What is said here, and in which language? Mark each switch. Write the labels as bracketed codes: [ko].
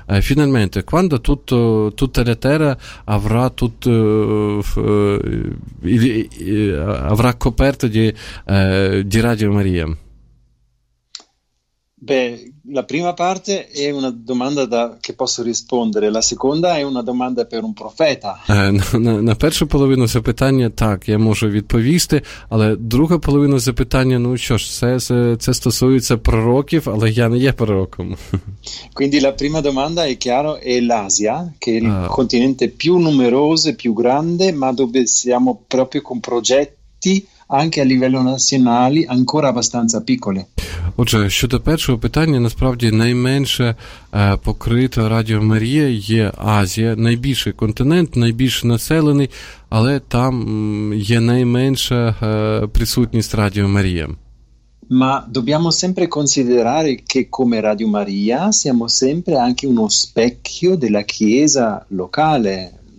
[it] Finalmente, quando tutta la Terra avrà tutto avrà coperto di Radio Maria? Beh, la prima parte è una domanda da che posso rispondere, la seconda è una domanda per un profeta. [uk] На першу половину запитання так, я можу відповісти, але друга половина запитання, ну що ж, це стосується пророків, але я не є пророком. [it] Quindi la prima domanda è chiaro, è l'Asia, che è il continente più numeroso e più grande, ma dove siamo proprio con progetti anche a livello nazionale ancora abbastanza piccole. [uk] Отже, щодо першого питання, насправді найменше покрито Радіо Марія є Азія, найбільший континент, найбільш населений, але там є найменша присутність Радіо Марія. [it] Ma dobbiamo sempre considerare che come Радіо Марія siamo sempre anche uno specchio della Chiesa locale.